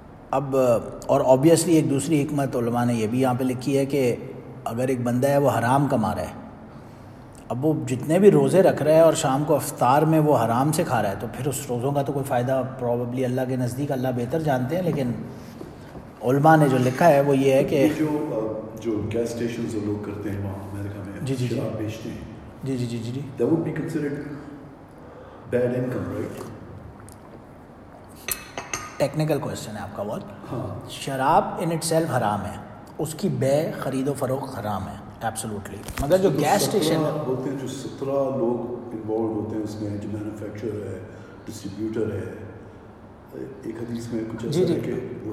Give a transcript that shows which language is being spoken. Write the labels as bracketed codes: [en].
[ur] اب اور آبویسلی ایک دوسری حکمت علماء نے یہ بھی یہاں پہ لکھی ہے کہ اگر ایک بندہ ہے وہ حرام کما رہا ہے, اب وہ جتنے بھی روزے رکھ رہا ہے اور شام کو افطار میں وہ حرام سے کھا رہا ہے, تو پھر اس روزوں کا تو کوئی فائدہ پروبیبلی اللہ کے نزدیک اللہ بہتر جانتے ہیں, لیکن علماء نے جو لکھا ہے وہ یہ ہے کہ جو گیس اسٹیشنز لوگ کرتے ہیں وہاں امریکہ میں, جی [en] that would be considered bad income, right? [ur] Technical question ہے آپ کا بہت. شراب [en] in itself [ur] حرام ہے, اس کی بے خرید و فروخت حرام ہے ایبسولوٹلی, مگر جو گیس اسٹیشن ہوتے ہیں جو 17 لوگ انوالو ہوتے ہیں اس میں, جو مینوفیکچرر ہے, ڈسٹریبیوٹر ہے, ایک حدیث میں کچھ ایسا ہے کہ